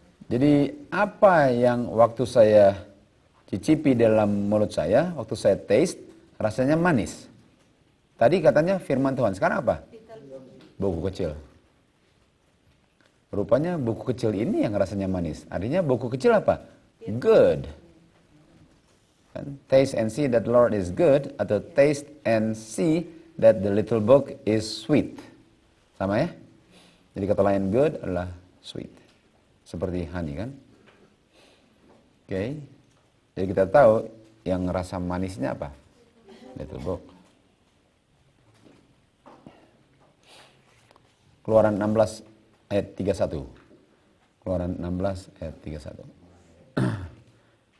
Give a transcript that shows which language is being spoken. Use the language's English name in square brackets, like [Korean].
[Indonesian] Jadi apa yang waktu saya cicipi dalam mulut saya, waktu saya taste, rasanya manis. Tadi katanya firman Tuhan, sekarang apa? Buku kecil. Rupanya buku kecil ini yang rasanya manis. Artinya buku kecil apa? Good. [English] Taste and see that the Lord is good. [Indonesian] Atau [English] taste and see that the little book is sweet. [Indonesian] Sama ya? Jadi kata lain good adalah sweet. Seperti honey kan? Oke. Okay. Jadi kita tahu yang rasa manisnya apa? Little book. Keluaran 16 ayat 31. Keluaran 16 ayat 31.